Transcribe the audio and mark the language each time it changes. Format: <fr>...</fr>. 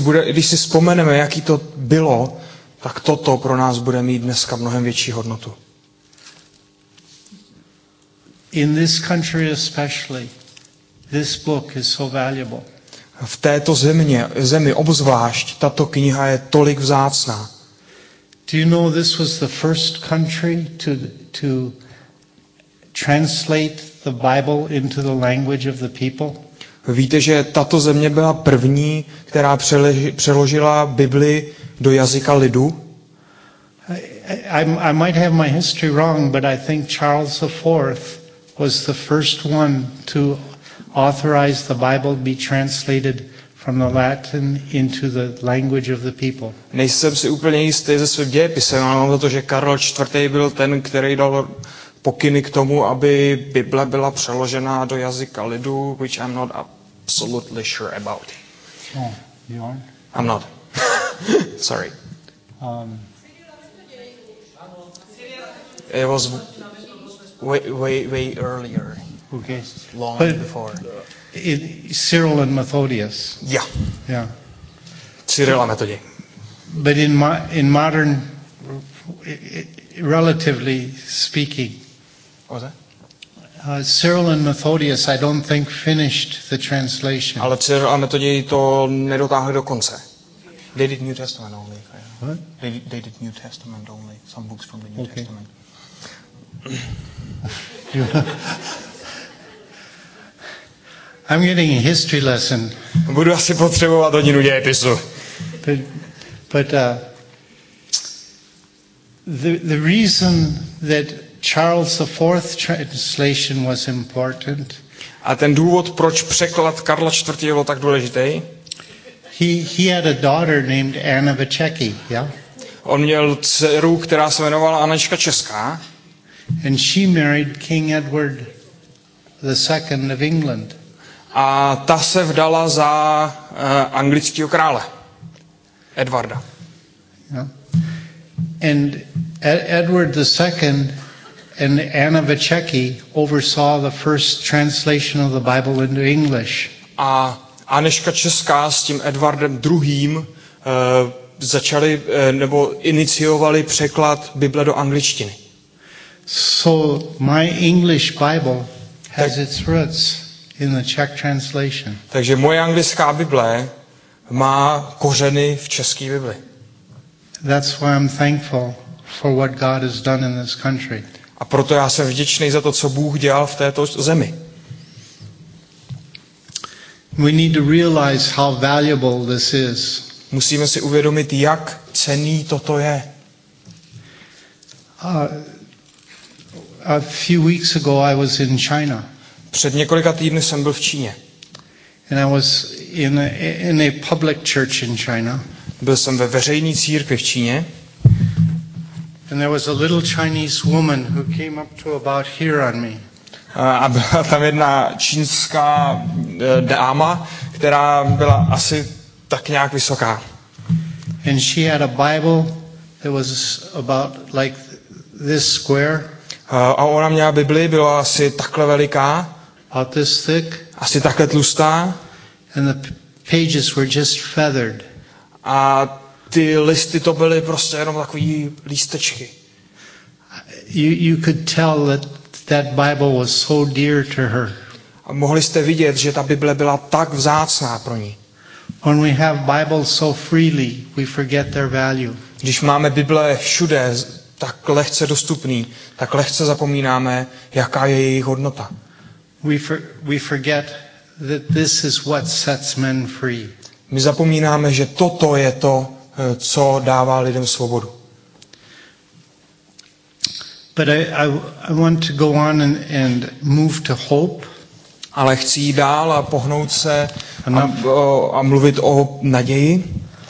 <cs>Když si vzpomeneme, jaký to bylo, tak toto pro nás bude mít dneska mnohem větší hodnotu.</cs> <en>In this country especially, this book is so valuable.</en> <cs>V této zemi obzvlášť tato kniha je tolik vzácná.</cs> <en>Do you know this was the first country to translate the Bible into the language of the people?</en> <cs>Víte, že tato země byla první, která přeložila Bibli do jazyka lidu?</cs> <en>I might have my history wrong, but I think Charles IV was the first one to authorize the Bible be translated from the Latin into the language of the people.</en> <cs>Nejsem si úplně jistý ze svým dějepisem, ale mám za to, že Karel IV. Byl ten, který dal pokyny k tomu, aby Bible byla přeložena do jazyka lidu,</cs> <en>which I'm not absolutely sure about. Oh, you aren't? I'm not. Sorry. It was way earlier. Okay. Long but before. Cyril and Methodius. Yeah. Yeah. Cyril and Methodius. But in modern, relatively speaking. What was that? Cyril and Methodius, I don't think, finished the translation.</en> <cs>Ale Cyril a Methodius to nedotáhli do konce.</cs> <en>They did New Testament only. Yeah. What? They did New Testament only. Some books from the New okay. Testament. I'm getting a history lesson.</en> <cs>Budu asi potřebovat hodinu dějepisu.</cs> <en>But the reason that Charles IV translation was important.</en> <cs>A ten důvod, proč překlad Karla IV. Bylo tak důležitý?</cs> <en>He had a daughter named Anna Vecheky, yeah?</en> <cs>On měl dceru, která se jmenovala Anička Česká.</cs> <en>And she married King Edward II of England.</en> <cs>A ta se vdala za anglického krále Edwarda.</cs> <en>Yeah. And Edward II and Anna Vecheky oversaw the first translation of the Bible into English.</en> <cs>A Anička Česká s tím Edwardem II začali nebo iniciovali překlad Bible do angličtiny.</cs> <en>So my English Bible has its roots in the Czech translation.</en> <cs>Takže moje anglická Bible má kořeny v české Bibli.</cs> <en>That's why I'm thankful for what God has done in this country.</en> <cs>A proto já jsem vděčný za to, co Bůh dělal v této zemi.</cs> <en>We need to realize how valuable this is.</en> <cs>Musíme si uvědomit, jak cenný toto je.</cs> <en>A few weeks ago I was in China.</en> <cs>Před několika týdny jsem byl v Číně.</cs> <en>And I was in a public church in China.</en> <cs>Byl jsem ve veřejné církvi v Číně.</cs> <en>And there was a little Chinese woman who came up to about here on me.</en> <cs>A byla tam jedna čínská dáma, která byla asi tak nějak vysoká.</cs> <en>And she had a Bible that was about like this square.</en> <cs>A ona měla Bibli, byla asi takhle veliká.</cs> <en>About this thick.</en> <cs>Asi takhle tlustá.</cs> <en>And the pages were just feathered.</en> <cs>A ty listy to byly prostě jenom takový lístečky.</cs> <en>You could tell that Bible was so dear to her.</en> <cs>A mohli jste vidět, že ta Bible byla tak vzácná pro ní.</cs> <en>When we have Bible so freely, we forget their value.</en> <cs>Když máme Bible všude tak lehce dostupný, tak lehce zapomínáme, jaká je jejich hodnota.</cs> <en>We forget that this is what sets men free.</en> <cs>My zapomínáme, že toto je to, co dává lidem svobodu.</cs> <en>But I want to go on and move to hope.</en> <cs>Ale chci jít dál a pohnout se a mluvit o naději.</cs>